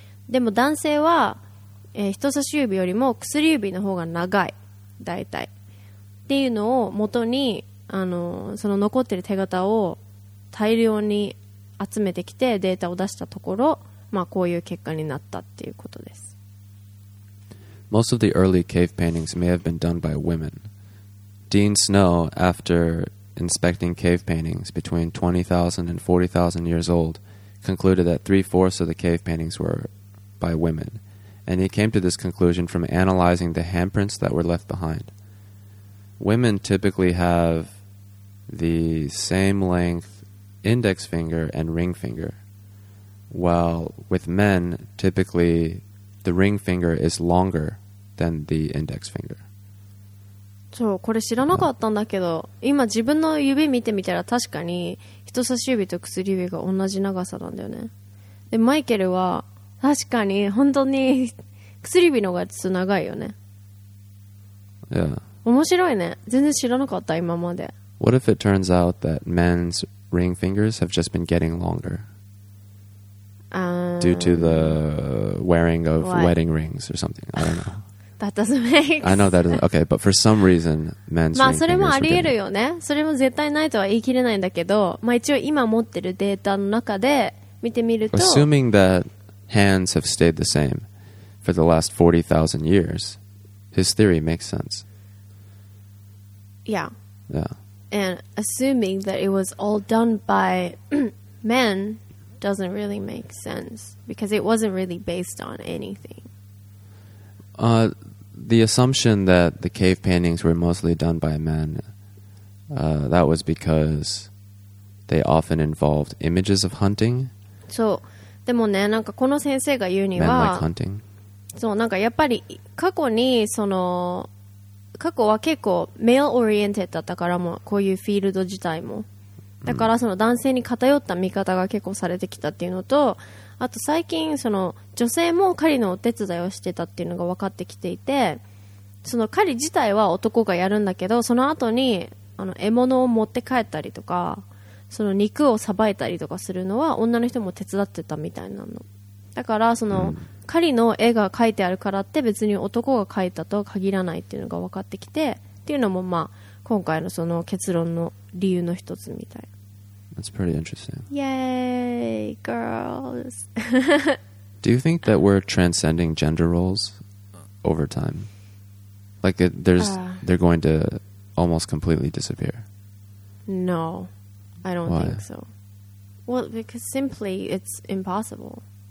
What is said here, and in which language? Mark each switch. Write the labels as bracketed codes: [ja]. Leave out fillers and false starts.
[ja] でも男性は、人差し指よりも薬指の方が長い、だいたいっていうのを元に、その残ってる手形を大量に集めてきてデータを出したところ、まあ、こういう結果になったっていうことです。 [en] Most of the early cave paintings may have been done by women. Dean Snow, afterinspecting cave paintings between 20,000 and 40,000 years old, concluded that 3/4 of the cave paintings were by women. And he came to this conclusion from analyzing the handprints that were left behind. Women typically have the same length index finger and ring finger, while with men, typically the ring finger is longer than the index finger. [ja] そう、これ知らなかったんだけど、今自分の指見てみたら確かに人差し指と薬指が同じ長さなんだよね。でマイケルは確かに本当に薬指の方がちょっと長いよね。 [en] Yeah. [ja] 面白いね。全然知らなかった今まで。 [en] What if it turns out that men's ring fingers have just been getting longer? Due to the wearing of wedding rings or something. I don't know. That doesn't make I know that doesn't. Okay, but for some reason, men's ring fingers are getting... [ja] まあ、それもありえるよね。それも絶対ないとは言い切れないんだけど、まあ、一応今持ってるデータの中で見てみると、 [en] Assuming that hands have stayed the same for the last 40,000 years, his theory makes sense. Yeah. Yeah. And assuming that it was all done by men doesn't really make sense because it wasn't really based on anything. The assumption that the cave paintings were mostly done by men That was because they often involved images of hunting. [ja] そう。でもね、なんかこの先生が言うには、 [en] Men like hunting. [ja] そう、なんかやっぱり過去にその過去は結構 [en] male oriented [ja] だったから、もこういうフィールド自体もだからその男性に偏った見方が結構されてきたっていうのと、あと最近その女性も狩りのお手伝いをしてたっていうのが分かってきていて、その狩り自体は男がやるんだけど、その後にあの獲物を持って帰ったりとか、その肉をさばいたりとかするのは女の人も手伝ってたみたいなの。だからその狩りの絵が描いてあるからって別に男が描いたとは限らないっていうのが分かってきて、っていうのもまあ今回のその結論の理由の一つみたい。 [en] That's pretty interesting. Yay, girls. Do you think that we're transcending gender roles over time? Like they're going to almost completely disappear? No, I don't Why? Think so. Well, because simply it's impossible.